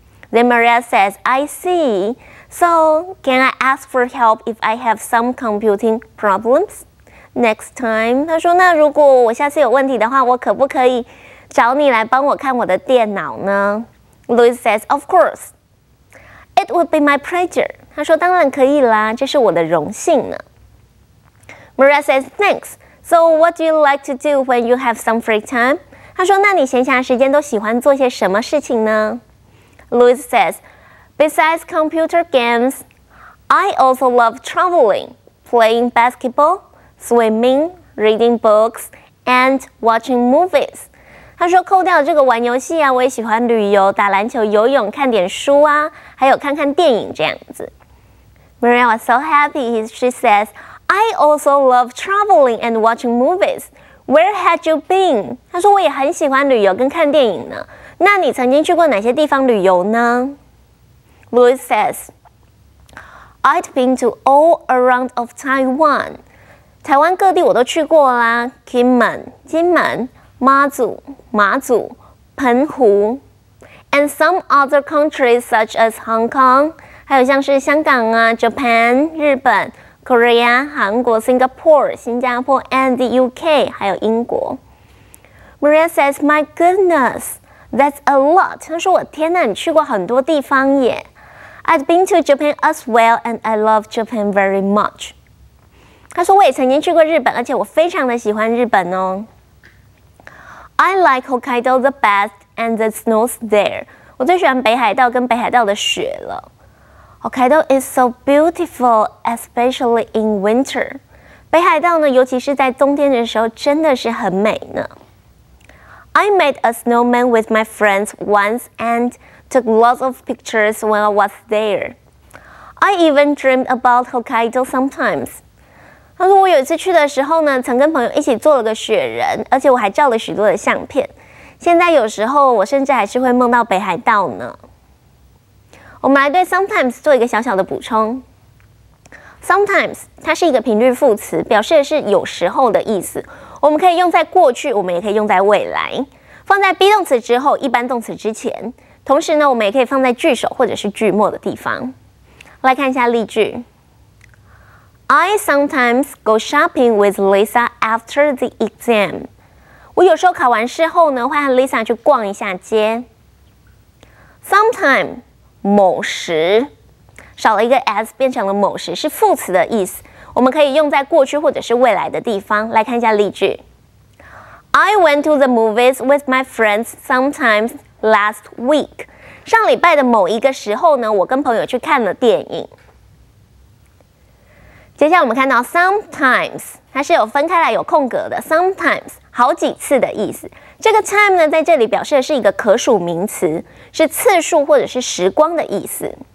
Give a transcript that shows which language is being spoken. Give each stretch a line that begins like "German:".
English: Then Maria says, I see. So, can I ask for help if I have some computing problems next time?
Chinese: 他说，那如果我下次有问题的话，我可不可以找你来帮我看我的电脑呢？
English: Louis says, of course. It would be my pleasure.
Chinese: 他说，当然可以啦，这是我的荣幸呢。
English: Maria says, thanks. So, what do you like to do when you have some free time?
Chinese: 他说，那你闲暇时间都喜欢做些什么事情呢？
English: Louis says,Besides computer games, I also love traveling, playing basketball, swimming, reading books, and watching movies.
Chinese: 他说扣掉这个玩游戏啊，我也喜欢旅游、打篮球、游泳、看点书啊，还有看看电影这样子。
English: Maria was so happy. She says, I also love traveling and watching movies. Where had you been?
Chinese: 他说我也很喜欢旅游跟看电影呢。那你曾经去过哪些地方旅游呢？
English: Louis says, I'd been to all around of Taiwan.
Chinese: 台湾各地我都去过啦，金门、金门、妈祖、马祖、澎湖
English: and some other countries such as Hong Kong,
Chinese: 还有像是香港啊、Japan, 日本、Korea, 韩国、Singapore, 新加坡
English: and the UK,
Chinese: 还有英国。
English: Maria says, my goodness, that's a lot.
Chinese: 她说我天哪，你去过很多地方耶。
English: I've been to Japan as well, and I love Japan very much.
Chinese: 他说我也曾经去过日本，而且我非常的喜欢日本哦。
English: I like Hokkaido the best, and the snows there.
Chinese: 我最喜欢北海道跟北海道的雪了。
English: Hokkaido is so beautiful, especially in winter.
Chinese: 北海道呢，尤其是在冬天的时候，真的是很美呢。
English: I made a snowman with my friends once and took lots of pictures when I was there. I even dreamed about Hokkaido sometimes.
Chinese: 他说我有一次去的时候呢，曾跟朋友一起做了个雪人，而且我还照了许多的相片。现在有时候我甚至还是会梦到北海道呢。我们来对 sometimes 做一个小小的补充。 Sometimes 它是一个频率副词，表示的是有时候的意思。我们可以用在过去，我们也可以用在未来，放在 be 动词之后，一般动词之前。同时呢，我们也可以放在句首或者是句末的地方。来看一下例句。
English: I sometimes go shopping with Lisa after the exam.
Chinese: 我有时候考完试后呢，会和 Lisa 去逛一下街。Sometime 某时，少了一个 as 变成了某时，是副词的意思。我们可以用在过去或者是未来的地方。来看一下例句。
English: I went to the movies with my friends sometimes last week.
Chinese: 上礼拜的某一个时候呢，我跟朋友去看了电影。接下来我们看到 sometimes， 它是有分开来有空格的 ，sometimes 好几次的意思。这个 time 呢，在这里表示的是一个可数名词，是次数或者是时光的意思。